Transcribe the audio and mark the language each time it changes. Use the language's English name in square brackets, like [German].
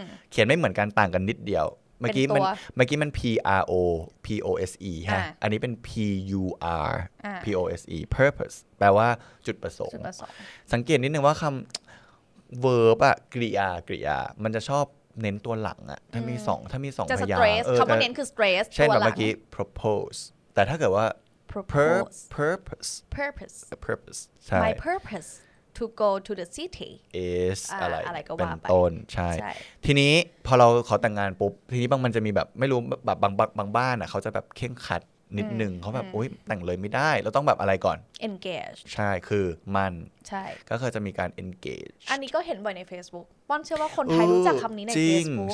[Thai] เขียนไม่เหมือนกันต่างกันนิดเดียวเมื่อกี้มัน PROPOSE ฮะอันนี้เป็น PURPOSE purpose แปลว่าจุ ดประสงค์สังเกตนิดนึงว่าคำ verb อะกริยามันจะชอบเน้นตัวหลังอะถ้ามี2 พยางค์จะ stress คำว่าเน้นคือ stress เช่นเมื่อกี้ propose แต่ถ้าเกิดว่า [English] purpose [Thai] ใช่ [English] my purpose to go to the city [Thai] is อะไ ร เป็นต้นใช่ทีนี้พอเราขอแต่งงานปุ๊บทีนี้บางมันจะมีแบบไม่รู้แบบบางบ้านอ่ะเขาจะแบบเคร่งขัดนิดนึงเขาแบบโอ๊ยแต่งเลยไม่ได้เราต้องแบบอะไรก่อน [English] engage [Thai] ใช่คือมัน ใช่ ก็คือจะมีการ engage อันนี้ก็เห็นบ่อยใน Facebook ป้อนเชื่อว่าคนไทยรู้จักคำนี้ใน Facebook